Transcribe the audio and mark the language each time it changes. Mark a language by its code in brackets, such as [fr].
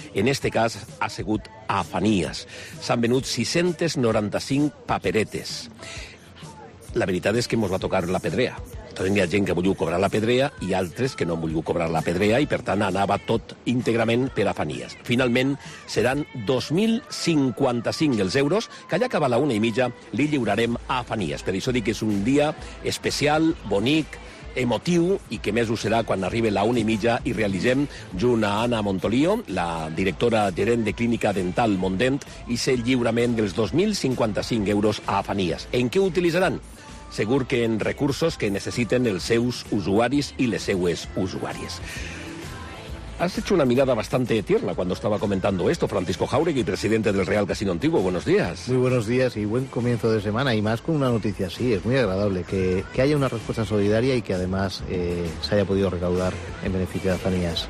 [ca] En este cas ha sigut Afanías. S'han venut 695 paperetes. La veritat és que ens va tocar la pedrea. Hi ha gent que volia cobrar la pedrea i altres que no volia cobrar la pedrea i, per tant, anava tot íntegrament per Afanías. Finalment, seran 2.055 els euros que, allà acabar la una i mitja, li lliurarem a Afanías. Per això dic que és un dia especial, bonic, emotiu i que més ho serà quan arribi la una i mitja i realitzem, junt a Anna Montolio, la directora gerent de Clínica Dental Mondent, i ser lliurament dels 2.055 euros a Afanías. En què ho utilitzaran? Segur que en recursos que necessiten els seus usuaris i les seues usuàries. [es] Has hecho una mirada bastante tierna cuando estaba comentando esto, Francisco Jauregui, presidente del Real Casino Antiguo. Buenos días. Muy buenos días y buen comienzo de semana. Y más con una noticia así, es muy agradable que haya una respuesta solidaria y que además se haya podido recaudar en beneficio de Afanías.